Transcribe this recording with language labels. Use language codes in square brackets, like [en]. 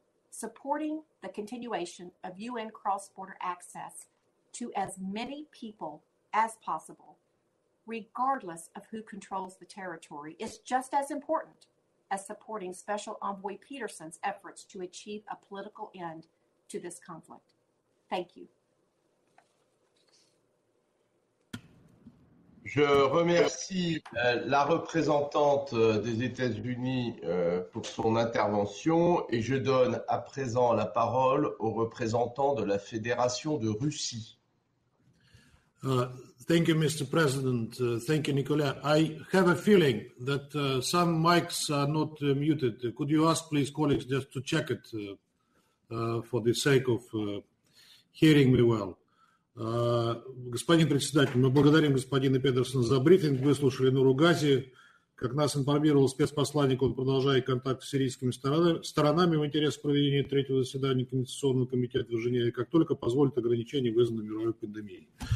[en] Supporting the continuation of UN cross-border access to as many people as possible, regardless of who controls the territory, is just as important as supporting Special Envoy Pedersen's efforts to achieve a political end to this conflict. Thank you. [fr] Je remercie la représentante des États-Unis pour son intervention et je donne à présent la parole au représentant de la Fédération de Russie. [en] Thank you, Mr. President. Thank you, Nicolas. I have a feeling that some mics are not muted. Could you ask, please, colleagues, just to check it for the sake of hearing me well? [ru] Господин председатель, мы благодарим господина Педерсона за брифинг. Выслушали Нуру Гази. Как нас информировал спецпосланник, он продолжает контакт с сирийскими сторонами в интересах проведения третьего заседания Конституционного комитета в Женеве, как только позволит ограничение вызванной мировой пандемией.